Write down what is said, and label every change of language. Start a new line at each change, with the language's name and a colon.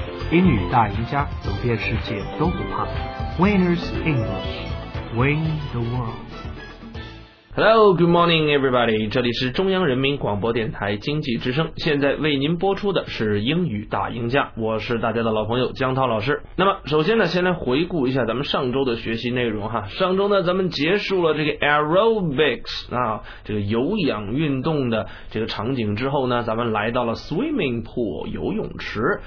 Chinese: 英语大赢家，走遍世界都不怕。
English: Winners English, win the world. Hello, good morning, everybody.
Chinese: 这里是中央人民广播电台经济之声，现在为您播出的是英语大赢家，我是大家的老朋友江涛老师。那么首先呢，先来回顾一下咱们上周的学习内容哈。上周呢，咱们结束了这个 aerobics 啊，这个有氧运动的这个场景之后呢，咱们来到了 swimming pool 游泳池。